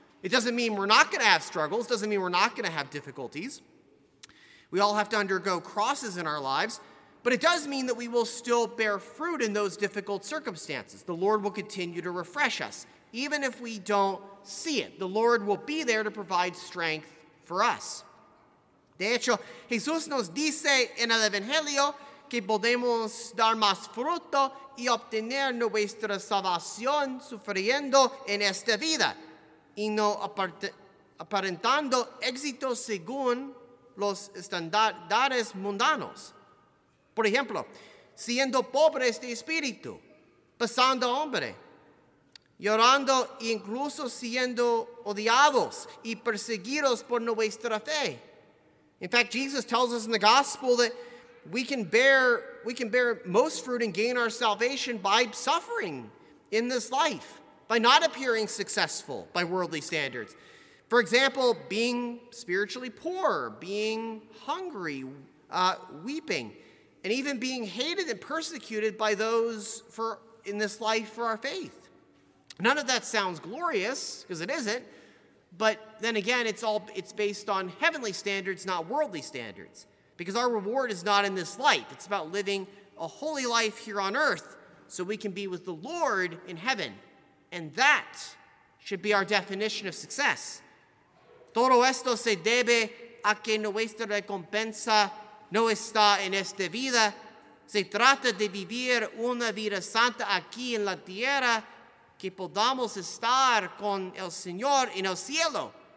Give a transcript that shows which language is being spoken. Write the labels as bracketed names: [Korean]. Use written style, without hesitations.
[English] It doesn't mean we're not going to have struggles. It doesn't mean we're not going to have difficulties. We all have to undergo crosses in our lives. But it does mean that we will still bear fruit in those difficult circumstances. The Lord will continue to refresh us, even if we don't see it. The Lord will be there to provide strength for us. [Spanish] De hecho, Jesús nos dice en el Evangelio que podemos dar más fruto y obtener nuestra salvación sufriendo en esta vida, y no aparentando éxito según los estándares mundanos. Por ejemplo, siendo pobres de espíritu, pasando hambre, llorando e incluso siendo odiados y perseguidos por nuestra fe. [English] In fact, Jesus tells us in the gospel that we can bear most fruit and gain our salvation by suffering in this life, by not appearing successful by worldly standards. For example, being spiritually poor, being hungry, weeping, and even being hated and persecuted by those in this life for our faith. None of that sounds glorious, because it isn't, but then again, it's based on heavenly standards, not worldly standards, because our reward is not in this life. It's about living a holy life here on earth so we can be with the Lord in heaven. And that should be our definition of success. [Spanish] Todo esto se debe a que nuestra recompensa no está en esta vida. Se trata de vivir una vida santa aquí en la tierra, que podamos estar con el Señor en el cielo.